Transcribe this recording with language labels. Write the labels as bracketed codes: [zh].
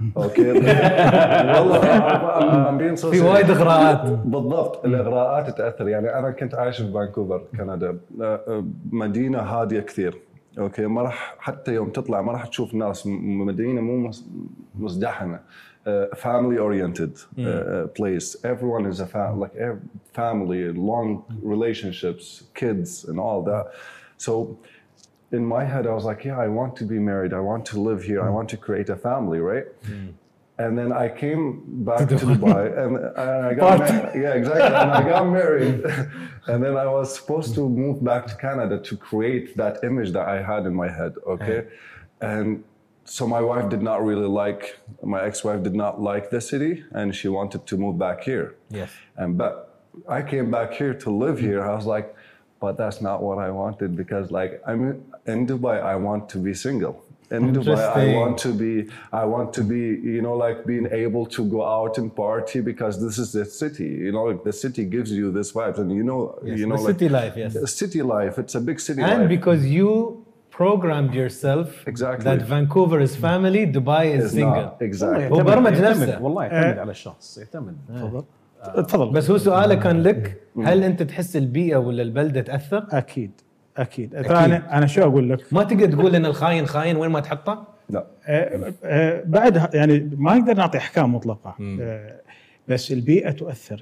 [ar] أوكي. والله في وايد إغراءات. بالضبط الإغراءات تأثر. يعني أنا كنت عايش في فانكوفر كندا، مدينة هادية كثير. أوكي ما رح حتى يوم تطلع ما رح تشوف ناس، مدينة مو مزدحمة. [en] Family oriented place. Everyone is a family, long relationships, kids, and all that. So, in my head, I was like, yeah, I want to be married. I want to live here. I want to create a family, right? And then I came back to Dubai and I got married. Yeah, exactly. And I got married. And then I was supposed to move back to Canada to create that image that I had in my head. Okay. And so my wife did not really like, my ex-wife did not like the city and she wanted to move back here. Yes. And but I came back here to live here. I was like, but that's not what I wanted, because like I'm in Dubai, I want to be single. In Dubai, I want to be, you know, like being able to go out and party, because this is the city, you know, like the city gives you this vibe. And you know, yes, you know, the like city life, yes. City life, it's a big city and life. Because you programmed yourself exactly that Vancouver is family, Dubai is single. Not. Exactly. [ar] هو برمج نفسه. والله يعتمد على الشخص. يعتمد. تفضل. بس هو سؤاله كان لك، هل أنت تحس البيئة ولا البلدة تأثر؟ أكيد. أكيد. أنا شو أقول لك؟ ما تقدر تقول إن الخاين خاين وين ما تحطه؟ لا. بعد يعني ما نقدر نعطي أحكام مطلقة. بس البيئة تؤثر.